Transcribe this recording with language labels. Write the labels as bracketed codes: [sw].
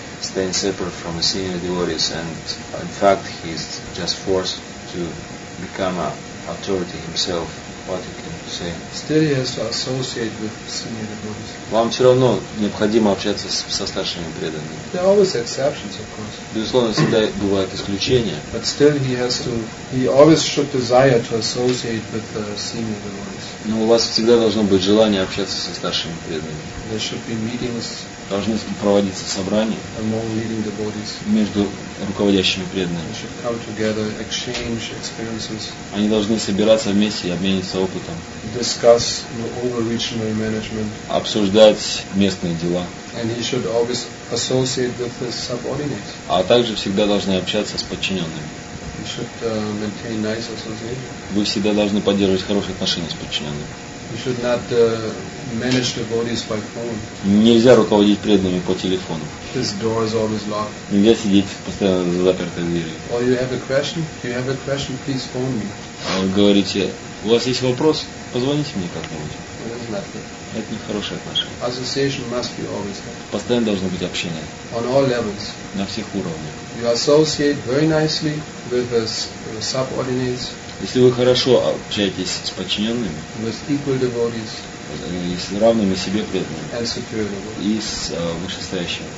[en] staying separate from the senior devotees, and in fact he is just forced to become an authority himself. What you can say? Still he has to associate with senior devotees. [ru] Вам все равно необходимо общаться со старшими преданными. [en] There are always exceptions, of course. [ru] Безусловно, всегда бывают исключения. [en] But still he has to. He always should desire to associate with the senior devotees. [ru] Но у вас всегда должно быть желание общаться со старшими преданными. [en] There should be meetings. [ru] Должны проводиться собрания [en] among leading devotees. [ru] Между руководящими преданными. [en] They should come together, exchange experiences. [ru] Они должны собираться вместе и обмениться опытом. [en] Discuss the overreaching management. [ru] Обсуждать местные дела. [en] And he should always associate with his subordinates. [ru] А также всегда должны общаться с подчиненными. [en] He should maintain nice association. [ru] Вы всегда должны поддерживать хорошие отношения с подчиненными. [en] You should not manage devotees by phone. [ru] Нельзя руководить преданными по телефону. [en] This door is always locked. [ru] Нельзя сидеть постоянно за запертой дверью. [en] Or you have a question? If you have a question, please phone me. [ru] Говорите, у вас есть вопрос? Позвоните мне как-нибудь. [en] That's not good. [ru] Это нехорошее отношение. [en] Association must be always. [ru] Постоянно должно быть общение. [en] On all levels. [ru] На всех уровнях. [en] You associate very nicely with the subordinates. [ru] Если вы хорошо общаетесь с подчиненными, с равными себе преданными и с вышестоящими